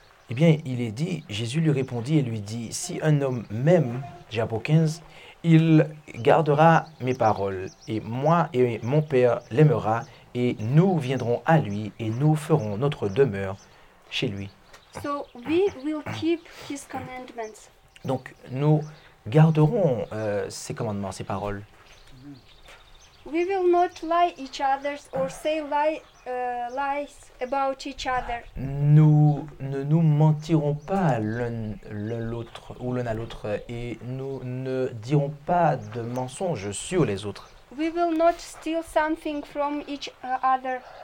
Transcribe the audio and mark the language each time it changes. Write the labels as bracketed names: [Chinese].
[French] Il est dit, Jésus lui répondit et lui dit, si un homme m'aime, Jacques 15, il gardera mes paroles, et moi et mon Père l'aimera, et nous viendrons à lui, et nous ferons notre demeure chez lui. [English] So we will keep his commandments. [French] Donc, nous garderons ses commandements, ses paroles. [English] We will not lie each other or say lies about each other. [French] Nous ne nous mentirons pas l'un l'autre ou l'un à l'autre et nous ne dirons pas de mensonges sur les autres. [English] We will not steal something from each other.